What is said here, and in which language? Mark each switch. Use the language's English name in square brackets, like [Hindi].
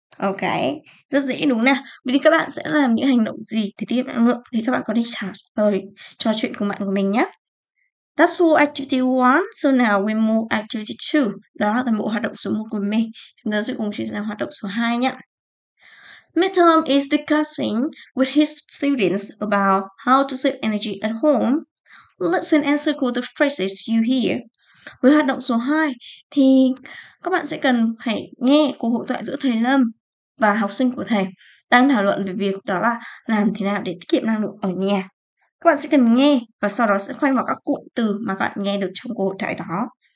[Vietnamese] Ok, rất dễ đúng nào. Vậy thì các bạn sẽ làm những hành động gì để tiết kiệm năng lượng? Thì các bạn có thể trả lời cho chuyện của bạn của mình nhé. [English] That's all activity 1. So now we move activity 2. [Vietnamese] Đó là toàn bộ hoạt động số 1 của mình. Chúng ta sẽ cùng chuyển sang hoạt động số 2 nhé. [English] Midterm is discussing with his students about how to save energy at home. Listen and circle the phrases you hear. [Vietnamese] Với hoạt động số 2 thì các bạn sẽ cần phải nghe cuộc hội thoại giữa thầy Lâm và học sinh của thầy đang thảo luận về việc đó là làm thế nào để tiết kiệm năng lượng ở nhà. Các bạn sẽ cần nghe và sau đó sẽ khoanh vào các cụm từ mà các bạn nghe được trong cuộc hội thoại đó.